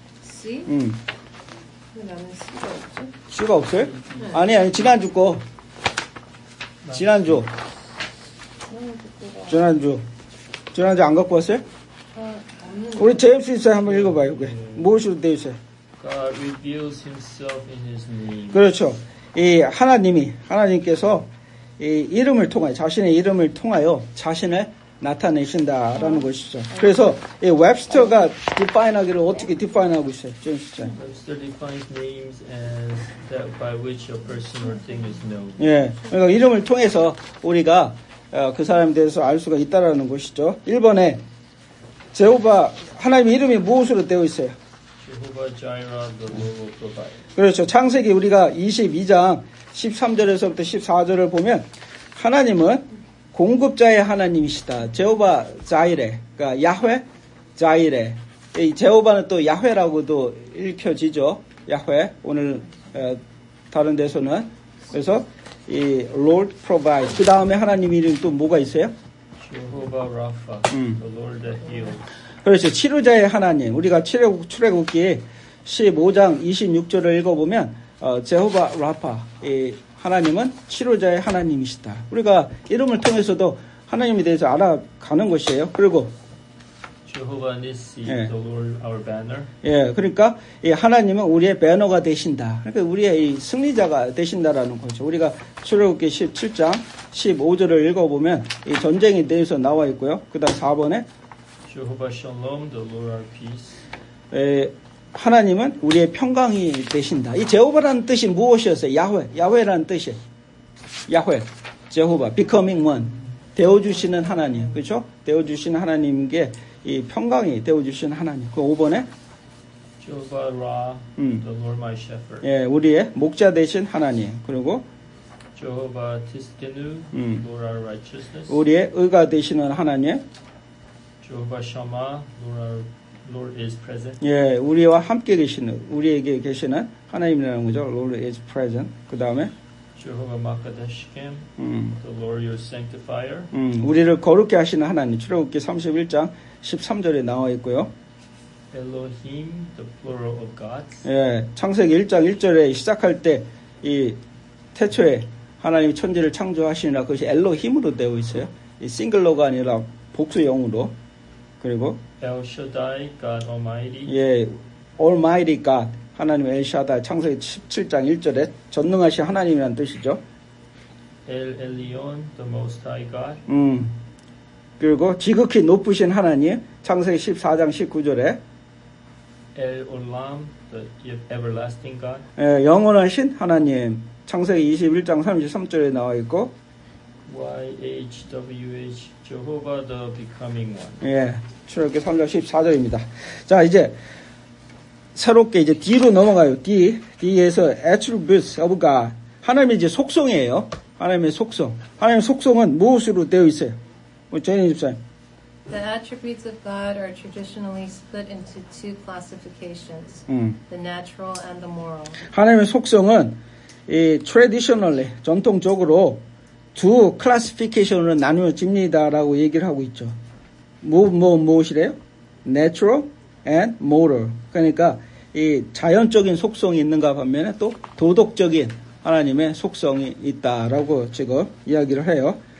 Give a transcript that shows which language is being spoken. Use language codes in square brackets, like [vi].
[ko] C? 응. 나는 C가 없지? C가 없어요? 네. 아니, 아니, 지난주 거. 지난주. 지난주. 지난주 안 갖고 왔어요? 우리 제임스 인사 한번 읽어봐요. 네. 무엇으로 되어 있어요? [en] God reveals himself in his name. [ko] 그렇죠. 이 하나님이, 하나님께서 이 이름을 통하여, 자신의 이름을 통하여 자신을 나타내신다라는 것이죠. 그래서 이 웹스터가 define 하기를 어떻게 define 하고 있어요? 제임스 씨. [en] Webster defines names as that by which a person or thing is known. [ko] 예. 그러니까 이름을 통해서 우리가 그 사람에 대해서 알 수가 있다라는 것이죠. 1번에 제호바 하나님의 이름이 무엇으로 되어 있어요? [en] 제호바 자이라 the Lord will provide. [ko] 그렇죠. 창세기 우리가 22장 13절에서부터 14절을 보면 하나님은 공급자의 하나님이시다. 제호바 자이레, 그러니까 야훼 자이레. 이 제호바는 또 야훼라고도 읽혀지죠. 야훼. 오늘 다른 데서는 그래서 이 [en] Lord provides. [ko] 그 다음에 하나님 이름 또 뭐가 있어요? [en] 제호바 라파, the Lord that heals. [ko] 그렇죠. 치료자의 하나님. 우리가 출애굽기 15장 26절을 읽어보면 제호바 라파, 이 하나님은 치료자의 하나님이시다. 우리가 이름을 통해서도 하나님에 대해서 알아가는 것이에요. 그리고 [en] 제호바 니시, 예. The Lord our banner. [ko] 예, 그러니까 이 하나님은 우리의 배너가 되신다. 그러니까 우리의 이 승리자가 되신다라는 거죠. 우리가 출애굽기 17장 15절을 읽어보면 이 전쟁에 대해서 나와 있고요. 그다음 4번에 [en] 제호바 샬롬, The Lord our peace. [ko] 예. 하나님은 우리의 평강이 되신다. 이 제호바라는 뜻이 무엇이었어요? 야훼, 야훼라는 뜻이에요. 야훼, 제호바, [en] becoming one, [ko] 되어주시는 하나님, 그렇죠? 되어주신 하나님께 이 평강이 되어주신 하나님. 그 5번에 [en] 제호바 라, the Lord my shepherd. [ko] 예, 우리의 목자 되신 하나님. 그리고 [en] 제호바 티스디누, Lord our righteousness. [ko] 우리의 의가 되시는 하나님. [en] 제호바 샤마, Lord our Lord is present. [ko] 예, 우리와 함께 계시는 우리에게 계시는 하나님이라는 거죠. [en] Lord is present. [ko] 그 다음에 [en] Jehovah Makadeshkim, the Lord your sanctifier. [ko] 우리를 거룩케 하시는 하나님. 출애굽기 31장 13절에 나와 있고요. [en] Elohim, the plural of gods. [ko] 예, 창세기 1장 1절에 시작할 때 이 태초에 하나님이 천지를 창조하시니라 그것이 엘로힘으로 되어 있어요. 이 싱글로가 아니라 복수형으로. 그리고 [en] El Shaddai, God Almighty. [ko] 예, [en] Almighty God, [ko] 하나님 El Shaddai, 창세기 17장 1절에 전능하신 하나님이란 뜻이죠. [en] El Elyon, the Most High God. [ko] 그리고 지극히 높으신 하나님, 창세기 14장 19절에 [en] El Olam, the Everlasting God. [ko] 예, 영원하신 하나님, 창세기 21장 33절에 나와 있고 [en] YHWH, Jehovah the Becoming One. [ko] 예. 출애굽기 3장 14절입니다. 자, 이제 새롭게 이제 D로 넘어가요. [en] D, D에서 attributes of God. [ko] 하나님의 이제 속성이에요. 하나님의 속성. 하나님의 속성은 무엇으로 되어 있어요? 전인 집사님. [en] The attributes of God are traditionally split into two classifications. The natural and the moral. [ko] 하나님의 속성은 이 traditionally, 전통적으로 두 classification으로 나누어집니다라고 얘기를 하고 있죠. 무엇이래요? [en] Natural and moral. [ko] 그러니까 이 자연적인 속성이 있는가 반면에 또 도덕적인 하나님의 속성이 있다라고 지금 이야기를 해요.